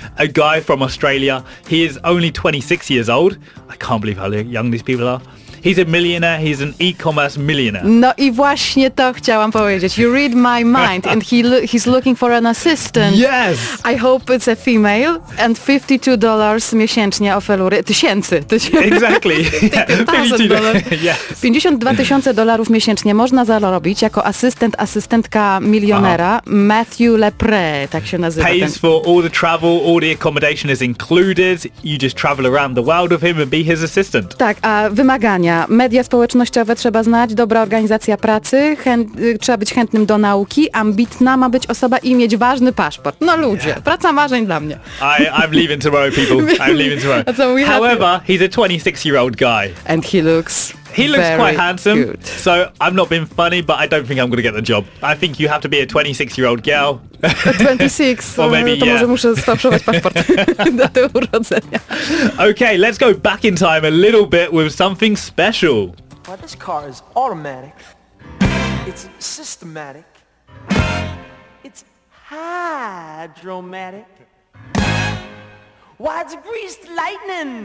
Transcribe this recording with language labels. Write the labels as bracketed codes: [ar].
[en] A guy from Australia. He is only 26 years old. I can't believe how young these people are. He's a millionaire, he's an e-commerce millionaire. [pl] No i właśnie to chciałam powiedzieć. [en] You read my mind and he's looking for an assistant. Yes! I hope it's a female and $52 [pl] miesięcznie oferuje. Tysięcy. [en] Exactly. [pl] $52,000 miesięcznie można zarobić jako asystentka milionera. Uh-huh. Matthew Lepre, tak się nazywa. [en] Pays for all the travel, all the accommodation is included. You just travel around the world with him and be his assistant. [pl] Tak, a wymagania. Media społecznościowe trzeba znać, dobra organizacja pracy, trzeba być chętnym do nauki, ambitna ma być osoba i mieć ważny paszport. No ludzie, [en] yeah. [pl] praca marzeń dla mnie. [en] I'm leaving tomorrow, people. I'm leaving tomorrow. However, he's a 26-year-old guy. And he looks... He looks very quite handsome, good. So I'm not being funny, but I don't think I'm going to get the job. I think you have to be a 26-year-old girl. 26, or maybe, [pl] to może muszę sfałszować paszport do tego urodzenia. [en] Okay, let's go back in time a little bit with something special. Well, this car is automatic. It's systematic. It's hydromatic. Why, it's greased lightning.